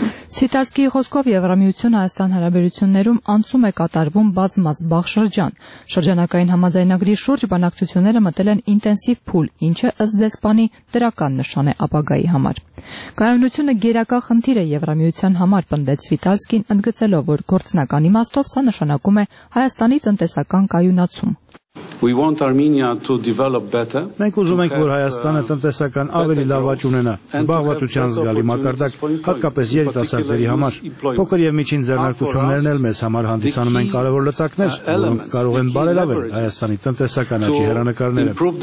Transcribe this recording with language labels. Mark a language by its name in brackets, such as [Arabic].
[Armenian] Սվիտալսկիի խոսքով Եվրամիություն-Հայաստան հարաբերություններում անցում է կատարվում բազմազբաղ շրջան։ Շրջանակային համաձայնագրի շուրջ բանակցությունները մտել են ինտենսիվ փուլ, ինչը ըստ դեսպանի դրական նշան է ապագայի համար։ Կայունությունը գերակա խնդիր է Եվրամիության համար, պնդեց Սվիտալսկին, ընդգծելով, որ գործնական իմաստով սա նշանակում է Հայաստանի տնտեսական կայունացում։ [English] We want Armenia to develop better. [Armenian] Մենք ուզում ենք, որ Հայաստանը տնտեսական ավելի լավ աճ ունենա, զբաղվածության զգալի մակարդակ, հատկապես երիտասարդների համար։ Փոքր և միջին ձեռնարկություններն էլ մեզ համար հանդիսանում են կարևոր լծակներ, որոնք կարող են բարելավել Հայաստանի տնտեսական աճի հեռանկարները։